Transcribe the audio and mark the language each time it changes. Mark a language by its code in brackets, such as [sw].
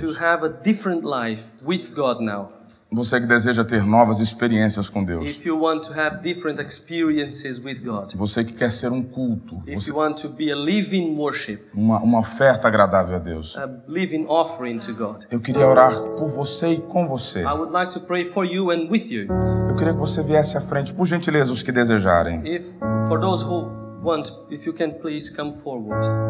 [en] To have a different life with God now. [pt] Você que deseja ter novas experiências com Deus. [en] If you want to have different experiences with God. [pt] Você que quer ser um culto. [en] If you want to be a living worship. [pt] Uma oferta agradável a Deus. [en] A living offering to God. [pt] Eu queria orar por você e com você. [en] I would like to pray for you and with you. [pt] Eu queria que você viesse à frente, por gentileza, os que desejarem. [en] If for those who want, if you can please come forward.